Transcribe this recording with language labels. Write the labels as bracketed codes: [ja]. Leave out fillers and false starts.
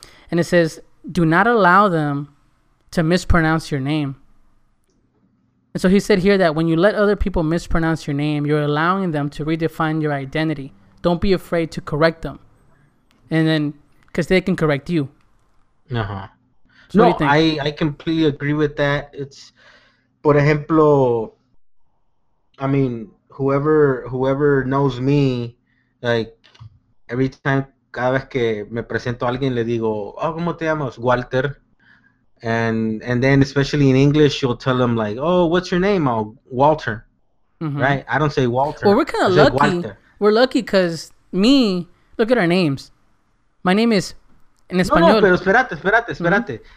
[en] And it says, do not allow them to mispronounce your name. And so he said here that when you let other people mispronounce your name, you're allowing them to redefine your identity. Don't be afraid to correct them. And then, because they can correct you. Uh-huh. No, I completely agree with that. It's, [es] por ejemplo, [en] I mean, whoever knows me, like, every time, [es] cada vez que me presento a alguien, le digo, oh, ¿cómo te llamas? Walter. [en] And then, especially in English, you'll tell them, like, oh, what's your name? Oh, Walter. Mm-hmm. Right? I don't say Walter. Well, we're kind of lucky. We're lucky because me, look at our names. My name is, in Espanol. [es] No, pero espérate. Mm-hmm.